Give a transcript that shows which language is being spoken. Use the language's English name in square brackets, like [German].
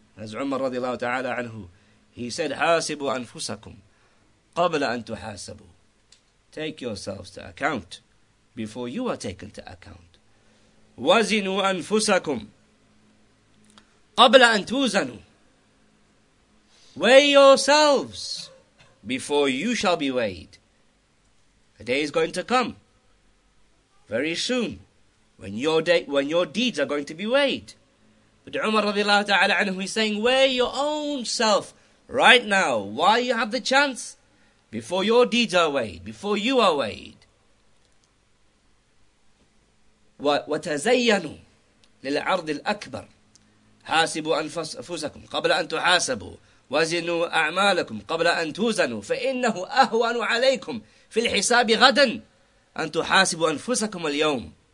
[English] As Umar radiallahu ta'ala anhu, he said, [Arabic] حاسبوا أنفسكم قبل أن تحاسبوا. [English] Take yourselves to account before you are taken to account. [Arabic] وزنوا أنفسكم قبل أن توزنوا. [English] Weigh yourselves before you shall be weighed. A day is going to come very soon when your deeds are going to be weighed. But Umar radiallahu ta'ala anhu is saying, weigh your own self right now while you have the chance, before your deeds are weighed, before you are weighed. [Arabic] وَتَزَيَّنُوا لِلْعَرْضِ الْأَكْبَرِ حَاسِبُوا أَنفُسَكُمْ قَبْلَ أَن تُحَاسَبُوا وزنوا أعمالكم قبل أن توزنوا فإنه أهون عليكم في الحساب غدا أن تحاسبوا أنفسكم اليوم.